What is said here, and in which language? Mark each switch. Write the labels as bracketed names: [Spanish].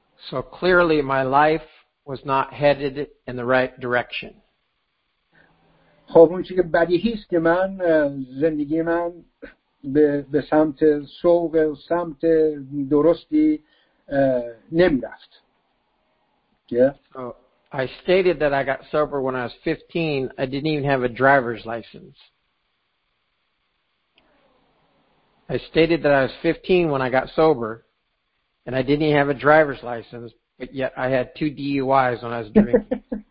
[English] So clearly my life was not headed in the right direction. [Persian] خب اون چیزی که بدیهی است که من زندگی من به سمت سوق و سمت درستی نمی‌رفت. [English] I stated that I got sober when I was 15. I didn't even have a driver's license. I stated that I was 15 when I got sober, and I didn't even have a driver's license, but yet I had 2 DUIs when I was drinking.